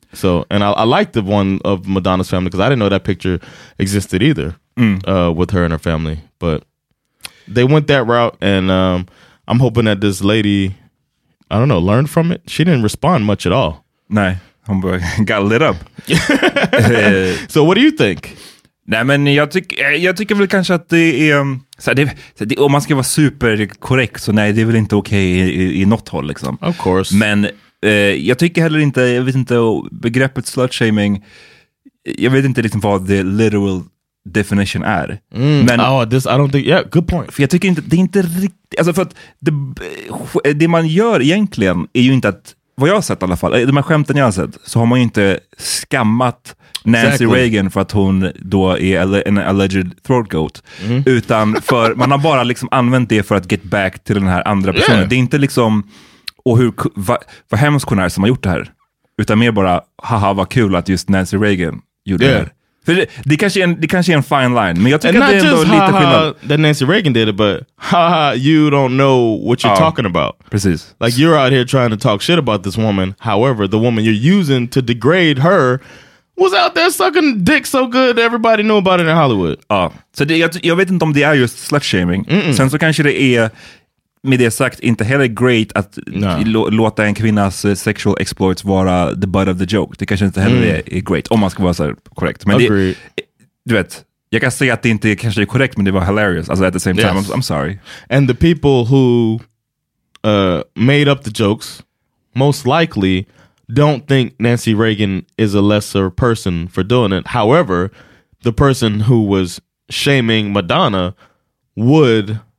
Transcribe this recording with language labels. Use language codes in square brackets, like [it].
[en] So, and I like the one of Madonna's family because I didn't know that picture existed either with her and her family. But they went that route, and I'm hoping that this lady, I don't know, learned from it. She didn't respond much at all. Nah, homeboy got lit up. So what do you think? [sv] Nej, men jag tycker väl kanske att det är... Så här, om man ska vara superkorrekt, så nej, det är väl inte okej i något håll, liksom. [en] Of course. [sv] Men jag tycker heller inte... Jag vet inte, begreppet slut-shaming... Jag vet inte liksom vad [en] the literal definition [sv] är. [en] Mm. Men, oh, this, I don't think... Yeah, good point. [sv] För jag tycker inte... Det är inte riktigt... Alltså, för att det man gör egentligen är ju inte att... Vad jag har sett i alla fall, de här skämten jag har sett, så har man ju inte skammat Nancy exactly. Reagan för att hon då är en [en] alleged throat goat. [sv] Mm. Utan för, man har bara liksom använt det för att [en] get back [sv] till den här andra personen. Yeah. Det är inte liksom, och hur, vad hemskt hon är som har gjort det här. Utan mer bara, haha vad kul att just Nancy Reagan gjorde yeah. det här. För det kanske är en fine line, men jag tycker att det är ändå lite skillnad. [en] That Nancy Reagan did it, but haha, you don't know what you're talking about. [sv] Precis. [en] Like, you're out here trying to talk shit about this woman. However, the woman you're using to degrade her was out there sucking dick so good everybody knew about it in Hollywood. [sv] Ja, så jag vet inte om det är just slut-shaming. Sen så kanske det är, med det sagt, inte heller great att låta en kvinnas [en] sexual exploits [sv] vara [en] the butt of the joke. [sv] Det kanske inte heller är great, om man ska vara så korrekt. Men det, du vet, jag kan säga att det inte kanske är korrekt, men det var hilarious. Alltså, [en] at the same time, yes. I'm sorry. And the people who made up the jokes most likely don't think Nancy Reagan is a lesser person for doing it. However, the person who was shaming Madonna would...